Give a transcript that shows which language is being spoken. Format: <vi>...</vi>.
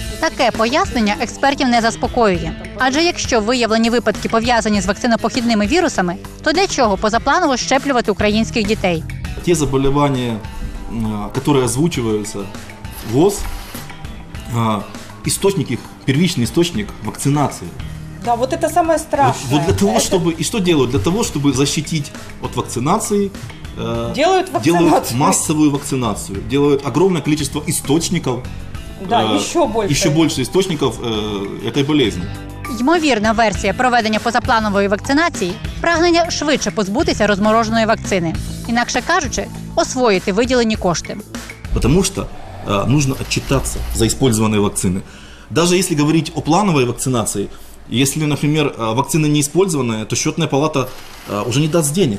<uk>Таке пояснення експертів не заспокоює. Адже якщо виявлені випадки пов'язані з вакцинопохідними вірусами, то для чого позапланово щеплювати українських дітей? Ті заболівання, які озвучуються ВОЗ, первичний істочник вакцинації.</uk> <ru>Да, вот это самое страшное. Для того, чтобы защитить от вакцинации делают массовую вакцинацию, делают огромное количество источников. Да, еще больше. Еще больше источников этой болезни.</ru> <uk>Ймовірна версія проведення позапланової вакцинації – прагнення швидше позбутися розмороженої вакцини. Інакше кажучи, освоїти виділені кошти. Тому що потрібно відчитатися за використані вакцини. Навіть якщо говорити о плановій вакцинації, якщо, наприклад, вакцини не використані, то Счетна палата вже не дасть грошей.</uk>